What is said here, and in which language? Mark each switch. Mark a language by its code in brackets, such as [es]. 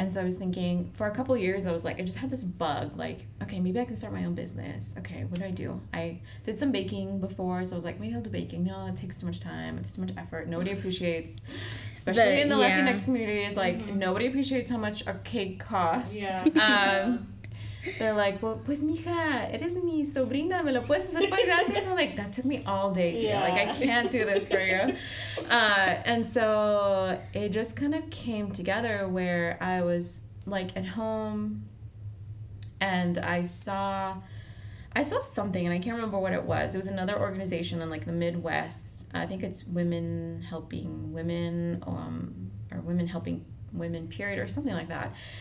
[en] And so I was thinking, for a couple years, I was like, I just had this bug, like, okay, maybe I can start my own business. Okay, what do I do? I did some baking before, so I was like, maybe I'll do baking. No, it takes too much time. It's too much effort. Nobody appreciates, especially in the Latinx community, it's like, mm-hmm. nobody appreciates how much a cake costs. Yeah. They're like, well, [es] pues mija, eres mi sobrina, me lo puedes hacer por gratis. [en] I'm like, that took me all day, dude. Yeah. Like, I can't do this for you. And so it just kind of came together where I was, like, at home, and I saw something, and I can't remember what it was. It was another organization in, like, the Midwest. I think it's Women Helping Women, or Women Helping Women, period, or something like that.